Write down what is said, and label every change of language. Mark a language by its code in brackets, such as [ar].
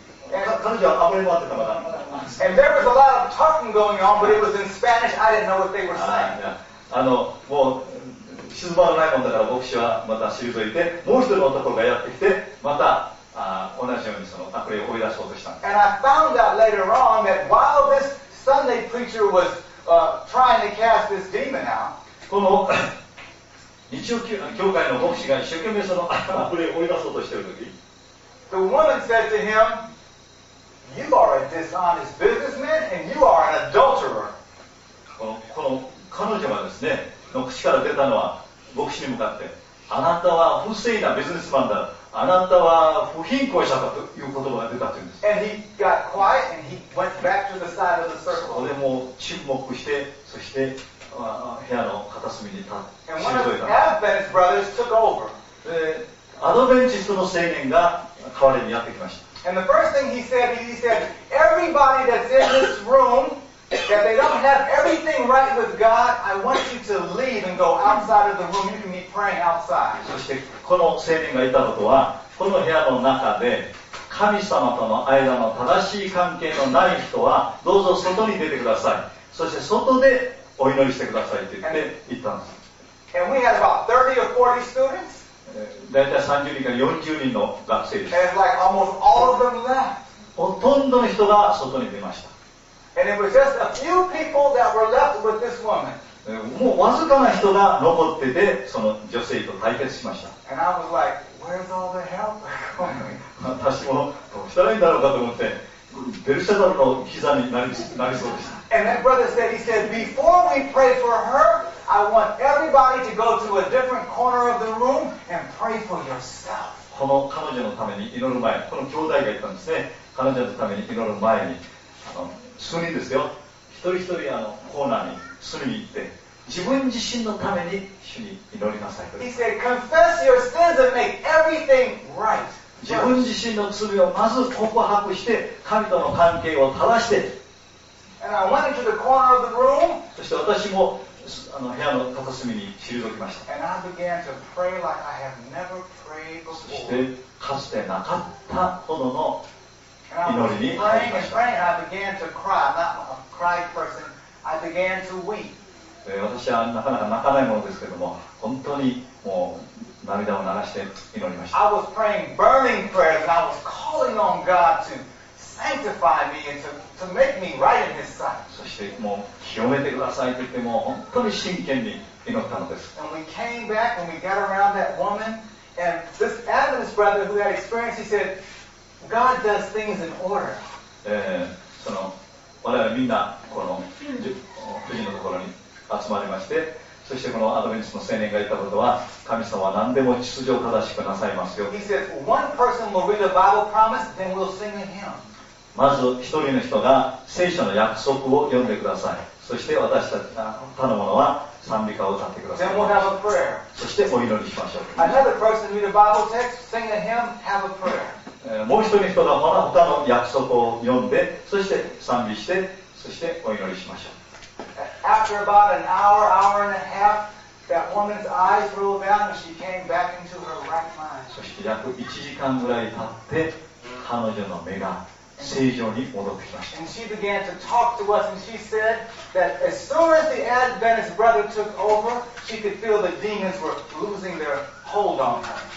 [ja] 彼女は暴れ回ってたから。 [en] And there was a lot of talking going on, but it was in Spanish. I didn't know what they were saying. [ja] もう静まらないもんだから牧師はまた退いて、もう一人の男がやってきて、また、同じようにその悪霊を追い出そうとしたんです。 [en] And I found out later on that while this Sunday preacher was trying to cast this demon out, [ja] この日曜教会の牧師が一生懸命その悪霊を追い出そうとしているとき、 [en] The woman said to him, You are a dishonest businessman and you are an adulterer. [ja] この彼女はですね、の口から出たのは牧師に向かって、あなたは不正なビジネスマンだ。あなたは不貧困者だという言葉が出たというんです。 [en] And he got quiet and he went back to the side of the circle. [ja] そこでもう沈黙して、そして部屋の片隅に立って、退いた。 [en] And one of the Adventist brothers took over. [ja] アドベンチストの青年が代わりにやってきました。 [en] And the first thing he said, everybody that's in this room, that they don't have everything right with God, I want you to leave and go outside of the room. You can be praying outside. [ja] そしてこの青年がいたことは、この部屋の中で神様との間の正しい関係のない人はどうぞ外に出てください、そして外でお祈りしてくださいと言って行ったんです。 [en] And we had about 30 or 40 students. [ja] だいたい30人から40人の学生です。 [en] And like almost all of them left. [ja] ほとんどの人が外に出ました。 [en] And it was just a few people that were left with this woman. [ja] もうわずかな人が残ってて、その女性と対決しました。 [en] And I was like, where's all the help coming? [ja] 私もどうしたらいいんだろうかと思って、ベルシャザルの膝になりそうでした。 [en] And that brother said, he said, before we pray for her, I want everybody to go to a different corner of the room and pray for yourself. [ja] この彼女のために祈る前、この兄弟が言ったんですね。彼女のために祈る前に、隅ですよ、一人一人コーナーに隅に行って自分自身のために主に祈りなさい。 [en] He said, confess your sins and make everything right. [ja] 自分自身の罪をまず告白して神との関係を正して。 [en] And I went into the corner of the room. [ja] そして私も部屋の片隅に退きました。 [en] And I began to pray like I have never prayed before. [ja] そしてかつてなかったほどの [en] And I was praying and praying and I began to cry. I'm not a cry person. I began to weep. [ja] 私はなかなか泣かないものですけども、本当にもう涙を流して祈りました。 [en] I was praying burning prayers and I was calling on God to sanctify me and to make me right in His sight. [ja] そしてもう清めてくださいと言って、もう本当に真剣に祈ったのです。 [en] And we came back and we got around that woman and this Adventist brother who had experience, he said,God does things in order. [ja] その我々みんなこの夫人のところに集まりまして、そしてこのアドベンチストの青年が言ったことは、神様は何でも秩序正しくなさいますよ。 [en] He said, one person will read a Bible promise, then we'll sing a hymn. [ja] まず一人の人が聖書の約束を読んでください。そして私たちの他の者は賛美歌を歌ってください。 [en] Then we'll have a prayer. [ja] そしてお祈りしましょう。 [en] Another person read a Bible text, sing a hymn, have a prayer. [ja] もう一人の人がまた歌の約束を読んで、そして賛美して、そしてお祈りしましょう。 [en] After about an hour, hour and a half, that woman's eyes rolled down and she came back into her right mind. [ja] そして約1時間ぐらい経って、彼女の目が正常に戻ってきました。 [en] And she began to talk to us and she said that as soon as the Adventist brother took over, she could feel the demons were losing their hold on her.